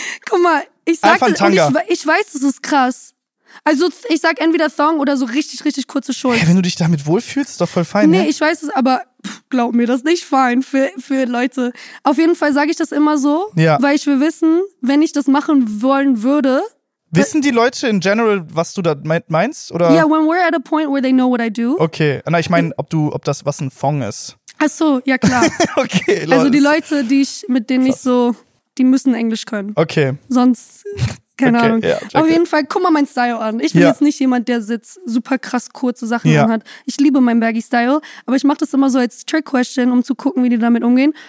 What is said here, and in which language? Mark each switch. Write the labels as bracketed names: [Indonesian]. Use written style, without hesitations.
[German] Guck mal, ich sag das, Tanga. Ich weiß, das ist krass. Also ich sag entweder Thong oder so richtig, richtig kurze Schuhe. Hey, wenn du dich damit wohlfühlst, ist doch voll fein. Nee, ich weiß es, aber glaub mir, das ist nicht fein für Leute. Auf jeden Fall sage ich das immer so, ja. Weil ich will wissen, wenn ich das machen wollen würde. Wissen die Leute [English] in general, [German] was du da meinst? [English] Ja, yeah, when we're at a point where they know what I do. [German] Okay, na, ich meine, ob das was ein Thong ist. Ach so, ja klar. Okay, los. Also die Leute, die müssen Englisch können. Okay. Sonst... Keine Ahnung. Yeah, auf jeden Fall, guck mal mein Style an. Ich bin jetzt nicht jemand, der sitzt, super krass kurze Sachen anhat. Ich liebe meinen Baggy-Style, aber ich mache das immer so als Trick-Question, um zu gucken, wie die damit umgehen.